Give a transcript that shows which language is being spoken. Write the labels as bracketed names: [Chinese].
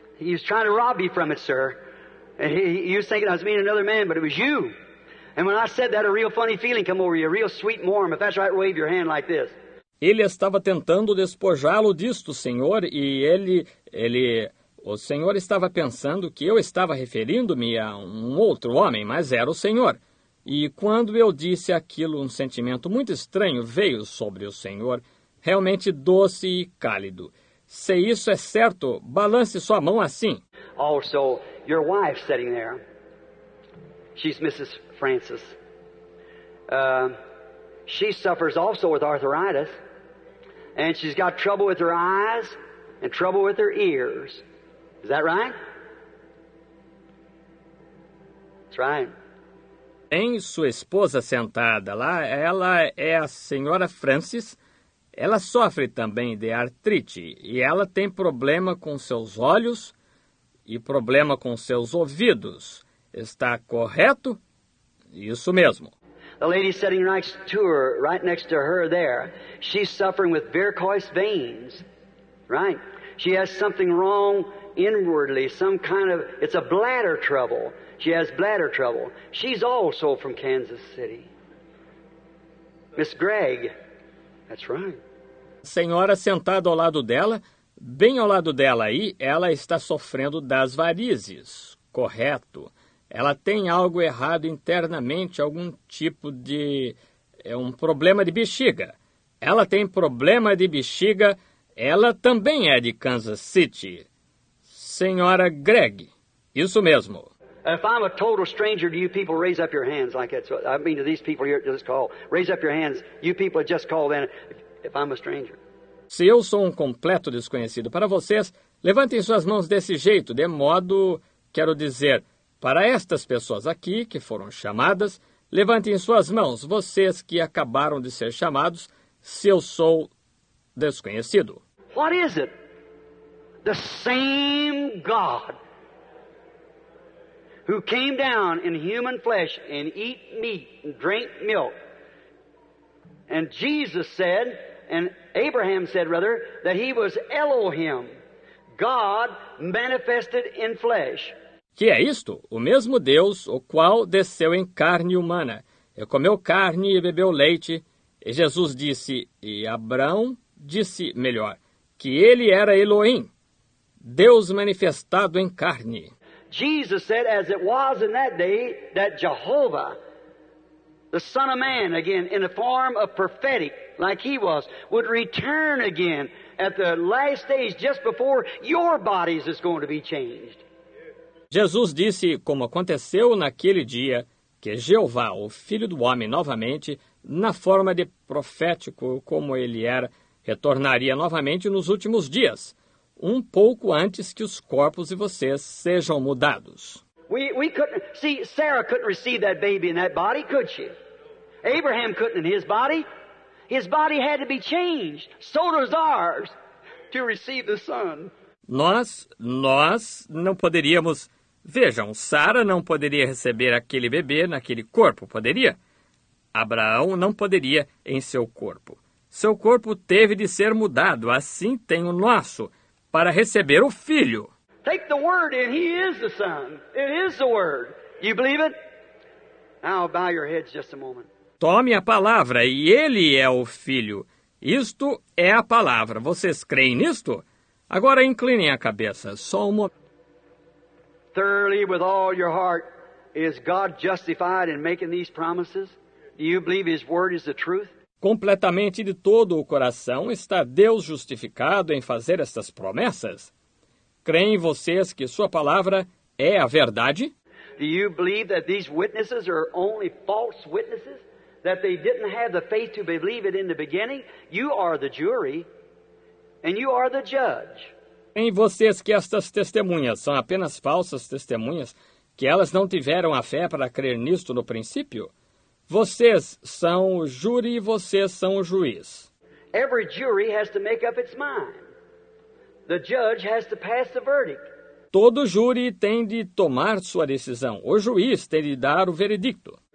[English] He's trying to rob you from it, sir. And you think I was meeting another man, but it was you. And when I said that, a real funny feeling came over you, a real sweet and warm. If that's right, wave your hand like this. [Portuguese] Ele estava tentando despojá-lo disto, senhor, e ele... o senhor estava pensando que eu estava referindo-me a um outro homem, mas era o senhor. E quando eu disse aquilo, um sentimento muito estranho veio sobre o senhor, realmente doce e cálido. Se isso é certo, balance sua mão assim. [English] Also, your wife sitting there. She's Mrs. Francis. She suffers also with arthritis. and she's got trouble with her eyes and trouble with her ears. Is that right? That's right. [Portuguese] Tem sua esposa sentada lá, ela é a senhora Francis. Ela sofre também de artrite e ela tem problema com seus olhos e problema com seus ouvidos. Está correto? Isso mesmo. [English] The lady sitting next to her, right next to her there, she's suffering with varicose veins, right? She has something wrong inwardly, some kind of, it's a bladder trouble. She has bladder trouble. She's also from Kansas City. Miss Gregg, that's right. [Portuguese] A senhora sentada ao lado dela, bem ao lado dela aí, ela está sofrendo das varizes, correto. Ela tem algo errado internamente, algum tipo de... é um problema de bexiga. Ela tem problema de bexiga, ela também é de Kansas City. Senhora Gregg, isso mesmo. [English] If I'm a total stranger to you people, raise up your hands like that. So, I mean to these people here at this call. Raise up your hands, you people just call then. If I'm a stranger. [Portuguese] Se eu sou um completo desconhecido para vocês, levantem suas mãos desse jeito, de modo, quero dizer, para estas pessoas aqui que foram chamadas, levantem suas mãos, vocês que acabaram de ser chamados, se eu sou desconhecido. [English] What is it? The same God who came down in human flesh and eat meat and drank milk. And Jesus said, and Abraham said, rather, that he was Elohim, God manifested in flesh. [Portuguese] Que é isto? O mesmo Deus, o qual desceu em carne humana, e comeu carne e bebeu leite. E Jesus disse, e Abraão disse, melhor, que ele era Elohim, Deus manifestado em carne. [English] Jesus said, as it was in that day, that Jehovah, the Son of Man, again, in the form of prophetic, like he was, would return again at the last stage, just before your bodies is going to be changed. [Portuguese] Jesus disse, como aconteceu naquele dia, que Jeová, o Filho do Homem, novamente, na forma de profético, como ele era, retornaria novamente nos últimos dias, um pouco antes que os corpos de vocês sejam mudados. [English] We couldn't, see, Sarah couldn't receive that baby in that body, could she? Abraham couldn't in his body. His body had to be changed, so does ours, to receive the Son. [Portuguese] Nós não poderíamos, vejam, Sara não poderia receber aquele bebê naquele corpo, poderia? Abraão não poderia em seu corpo. Seu corpo teve de ser mudado, assim tem o nosso, para receber o Filho. [English] Take the Word and He is the Son. It is the Word. You believe it? Now bow your heads just a moment. [Portuguese] Tome a palavra e Ele é o Filho. Isto é a palavra. Vocês creem nisto? Agora inclinem a cabeça. Só um momento. [English] Thoroughly with all your heart, is God justified in making these promises? Do you believe His Word is the truth? [Portuguese] Completamente de todo o coração, está Deus justificado em fazer estas promessas? Creem vocês que sua palavra é a verdade? [English] Do you believe that these witnesses are only false witnesses? That they didn't have the faith to believe it in the beginning? You are the jury, and you are the judge. [Portuguese] Creem vocês que estas testemunhas são apenas falsas testemunhas, que elas não tiveram a fé para crer nisto no princípio? Vocês são o júri e vocês são o juiz. [English] Every jury has to make up its mind. The judge has to pass the verdict. [Portuguese] Todo júri tem de tomar sua decisão. O juiz tem de dar o veredicto.